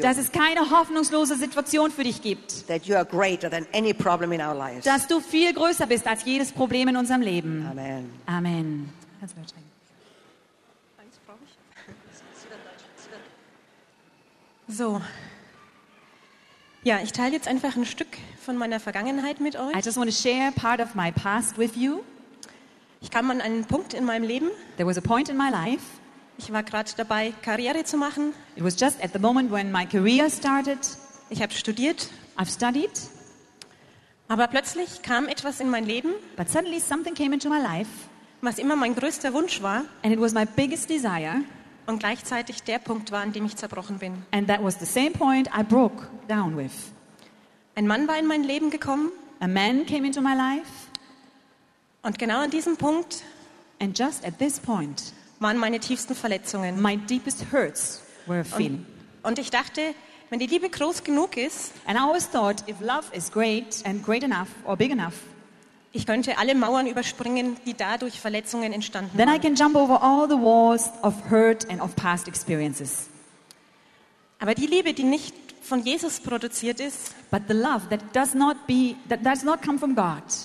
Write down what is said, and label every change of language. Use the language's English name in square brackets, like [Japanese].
[German] Dass es keine hoffnungslose Situation für dich gibt. [English] That you are greater than any problem in our lives. [German] Dass du viel größer bist als jedes Problem in unserem Leben. [English] Amen. [German] Amen. So, ja, ich teile jetzt einfach ein Stück von meiner Vergangenheit mit euch. [English] I just want to share part of my past with you. [German] Ich kam an einen Punkt in meinem Leben. [English] There was a point in my life. [German] Ich war gerade dabei, Karriere zu machen. [English] It was just at the moment when my career started. [German] Ich habe studiert. [English] I've studied. [German] Aber plötzlich kam etwas in mein Leben. [English] But suddenly something came into my life. [German] Was immer mein größter Wunsch war. [English] And it was my biggest desire. [German] Und gleichzeitig der Punkt war, an dem ich zerbrochen bin. [English] And that was the same point I broke down with. [German] Ein Mann war in mein Leben gekommen. [English] A man came into my life. [German] Und genau an diesem Punkt. [English] And just at this point. [German] Waren meine tiefsten Verletzungen. [English] My deepest hurts were feeling. [German] Und ich dachte, wenn die Liebe groß genug ist. [English] And I always thought, if love is great and great enough or big enough. [German] Ich könnte alle Mauern überspringen, die dadurch Verletzungen entstanden [English] then [German] waren. [English] Then I can jump over all the walls of hurt and of past experiences. [German] Aber die Liebe, die nicht von Jesus produziert ist, [English] but the love that does not be that does not come from God.